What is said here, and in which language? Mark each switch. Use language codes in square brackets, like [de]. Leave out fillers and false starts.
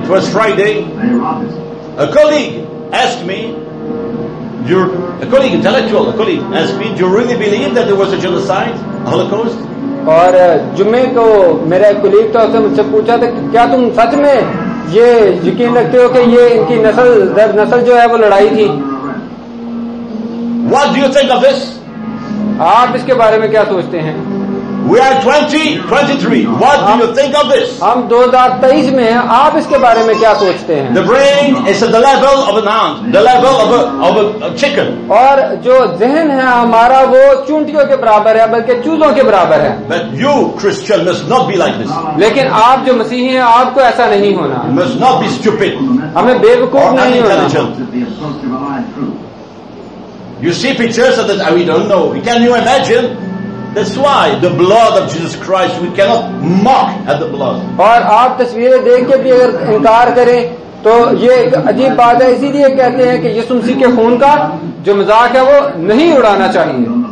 [en] Friday, a colleague asked me, a colleague intellectual asked me, do you really believe that there was a genocide, a Holocaust? [hi] और जुमे को मेरा एक colleague था उसने मुझसे पूछा था क्या तुम सच में ये यकीन रखते हो कि ये इनकी नस्ल दर नस्ल जो है वो लड़ाई थी? [en] What do you think of this? [hi] आप इसके बारे में क्या सोचते हैं? [en] We are 2023. What do you think of this? [hi] हम 2023 में हैं. आप इसके बारे में क्या सोचते हैं? [en] The brain is at the level of an ant, the level of a chicken. [hi] और जो ज़हन है हमारा वो चूंटियों के बराबर है, बल्कि चूजों के बराबर है. [en] But you Christian must not be like this. [hi] लेकिन आप जो मसीही हैं, आपको ऐसा नहीं होना. [en] You must not be stupid. [hi] हमें बेवकूफ नहीं होना. [en] You see pictures of that we don't know. Can you imagine? That's why the blood of Jesus Christ we cannot mock at the blood. [hi] और आप तस्वीरें देख के भी अगर इंकार करें तो ये एक अजीब बात है इसीलिए कहते हैं कि यीशु मसीह के खून का जो मजाक है वो नहीं उड़ाना चाहिए.